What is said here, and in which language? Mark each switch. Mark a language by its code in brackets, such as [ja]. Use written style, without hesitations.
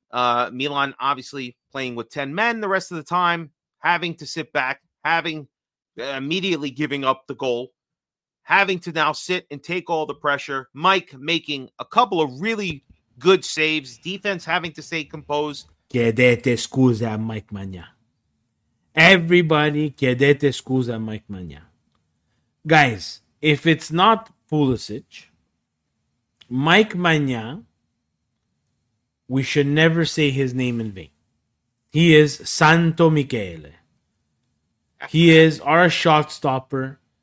[en] Milan obviously playing with 10 men the rest of the time, having to sit back, having immediately giving up the goal, having to now sit and take all the pressure. Mike making a couple of really good saves. Defense having to stay composed. [it] Chiedete scusa, Mike Maignan. [en] Everybody, [it] chiedete scusa, Mike Maignan. [en] Guys, if it's not Pulisic, Mike Maignan, we should never say his name in vain. He is Santo Michele. He is our shot stopper.